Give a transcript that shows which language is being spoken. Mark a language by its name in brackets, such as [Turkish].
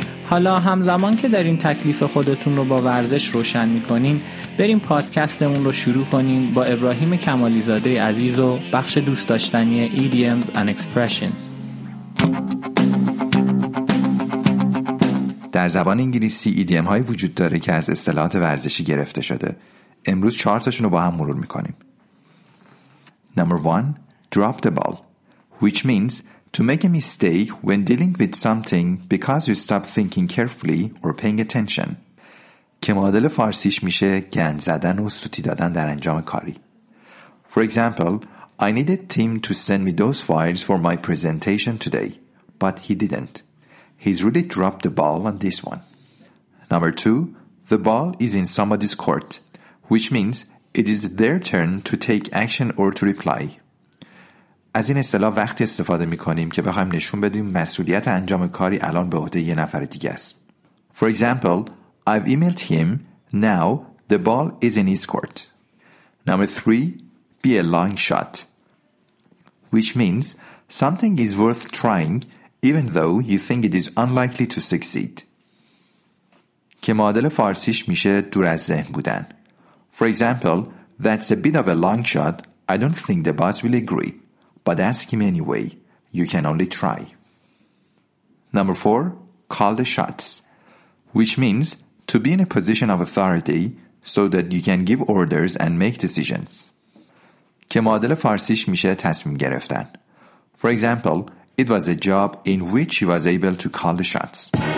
[Persian] حالا همزمان که در این تکلیف خودتون رو با ورزش روشن میکنین، بریم پادکستمون رو شروع کنیم با ابراهیم کمالیزاده عزیز و بخش دوست داشتنی Idioms and Expressions. در زبان انگلیسی ایدیم هایی وجود داره که از اصطلاحات ورزشی گرفته شده. امروز 4 تاشون رو با هم مرور میکنیم. [English] Number 1. Drop the ball, which means to make a mistake when dealing with something because you stop thinking carefully or paying attention. [Persian] که معادل فارسیش میشه گند زدن و سوتی دادن در انجام کاری. [English] For example, I needed Tim to send me those files for my presentation today, but he didn't. He's really dropped the ball on this one. Number 2. The ball is in somebody's court, which means it is their turn to take action or to reply. [Persian] از این اصطلاح وقتی استفاده می‌کنیم که بخوایم نشون بدیم مسئولیت انجام کاری الان به عهده یه نفر دیگه است. [English] For example, I've emailed him, now the ball is in his court. Number 3, be a long shot, which means something is worth trying even though you think it is unlikely to succeed. [Persian] که معادل فارسیش میشه دور از ذهن بودن. [English] For example, that's a bit of a long shot. I don't think the boss will agree. But ask him anyway. You can only try. Number 4. Call the shots. Which means to be in a position of authority so that you can give orders and make decisions. [Persian] که معادل فارسیش میشه تصمیم گرفتن. [English] For example, it was a job in which he was able to call the shots.